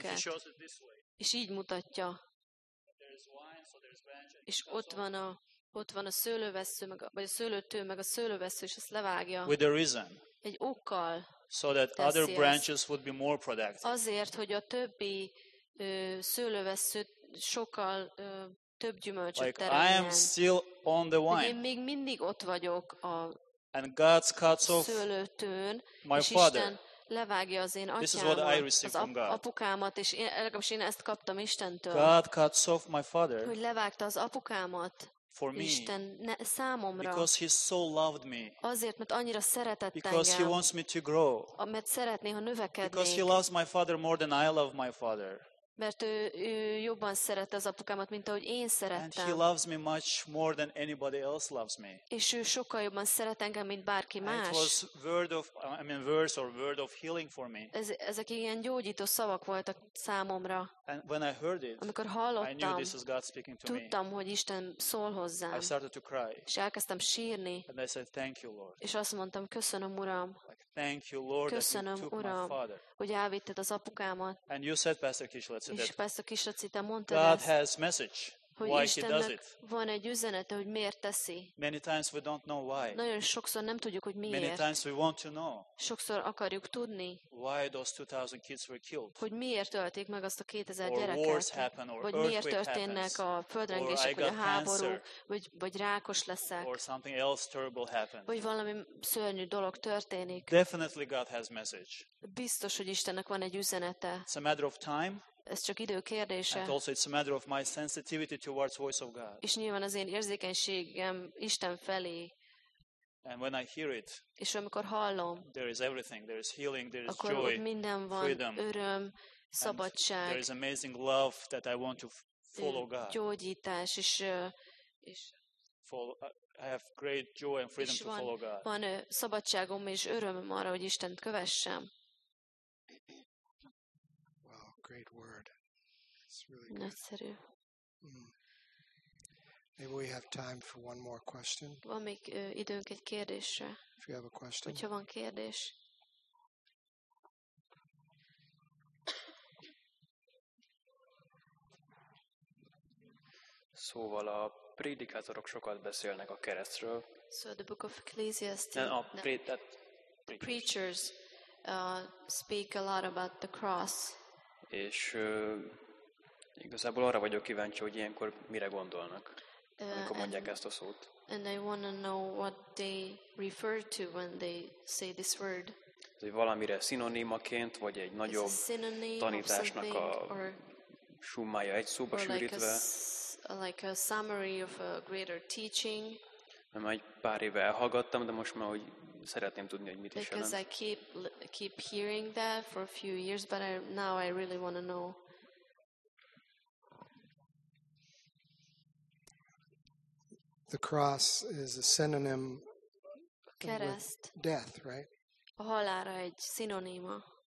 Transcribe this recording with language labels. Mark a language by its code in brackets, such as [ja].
[en] And he shows it this way. [hu] És így mutatja. És ott van a szőlővessző, vagy a szőlőtő, meg a szőlővessző, és ezt levágja. [en] With a reason. [hu] Egy okkal. [en] So that other branches would be more productive. [hu] Azért, hogy a többi szőlővessző sokkal több gyümölcsöt [en] like [hu] teremjen. [en] I am still on the wine. [hu] Én még mindig ott vagyok a [en] and God's cuts off [hu] szőlőtőn, [en] my [hu] és [en] father. [hu] Isten levágja az én atyámat, az apukámat, és én ezt kaptam Istentől. [en] God cuts off my father. [hu] Hogy levágta az apukámat. [en] For me, [hu] Isten számomra. [en] Because he so loved me. [hu] Azért, mert annyira szeretett engem. [en] Because he wants me to grow. [hu] Mert szeretné, ha növekednék. [en] Because he loves my father more than I love my father. [hu] Mert ő jobban szerette az apukámat, mint ahogy én szerettem. [en] And he loves me much more than anybody else loves me. [hu] És ő sokkal jobban szeret engem, mint bárki más. [en] It was verse or word of healing for me. [hu] Ezek ilyen gyógyító szavak voltak számomra. [en] And when I heard it, [hu] amikor hallottam, [en] I knew this is God speaking to me. [hu] Tudtam, hogy Isten szól hozzám. [en] I started to cry. [hu] És elkezdtem sírni. [en] And I said, thank you, Lord. [hu] És azt mondtam, köszönöm, Uram. [en] Like, thank you, Lord, [hu] köszönöm, [en] that you took [hu] Uram, [en] my father. [hu] Hogy elvitted az apukámat. [en] And you said, Pastor Kislet, [hu] és persze Kislaci, te mondtad ezt. [en] God has message. Why he does it? [hu] Van egy üzenete, hogy miért teszi. [en] Many times we don't know why. [hu] Nagyon sokszor nem tudjuk, hogy miért. [en] Many times we want to know. [hu] Sokszor akarjuk tudni. [en] Why those 2000 kids were killed? [hu] Hogy miért ölték meg azt a 2000 [en] or [hu] gyereket? [en] Wars happen, or [hu] vagy miért történnek [en] happens, [hu] a földrengések, vagy a háború, vagy rákos leszek. [en] Or something else terrible happened. [hu] Vagy valami szörnyű dolog történik. [en] Definitely God has message. [hu] Biztos, hogy Istennek van egy üzenete. [en] It's a matter of time. [hu] Ez csak idő kérdése. [en] And also it's a matter of my sensitivity towards voice of God. [hu] És nyilván az én érzékenységem Isten felé. [en] And when I hear it, [hu] és amikor hallom, [en] there is everything, there is healing, there is [hu] akkor [en] joy, [hu] minden van, [en] freedom, [hu] öröm, szabadság. [en] There is amazing love that I want to follow God. [hu] Gyógyítás, és [en] I have great joy and freedom to follow God. [hu] Van szabadságom és örömöm arra, hogy Istent kövessem. [en] Great word. It's really good. Maybe we have time for one more question. [hu] Van még időnk egy kérdésre. If you have a question. Hogyha van kérdés. Szóval a prédikátorok sokat beszélnek a keresztről. [en] So the book of Ecclesiastes. No, preachers. The preachers speak a lot about the cross. [hu] És igazából arra vagyok kíváncsi, hogy ilyenkor mire gondolnak, amikor mondják ezt a szót. [en] And I want to know what they refer to when they say this word. [hu] Ez valamire szinonímaként, vagy egy nagyobb tanításnak a summája egy szóba sűrítve. [en] Like a summary of a greater teaching. [hu] Egy pár éve elhallgattam, de most már úgy szeretném tudni, hogy mit is jelent. [en] Because I keep hearing that for a few years, but now I really want to know. The cross is a synonym for death, right? [hu] A halálra egy szinoníma.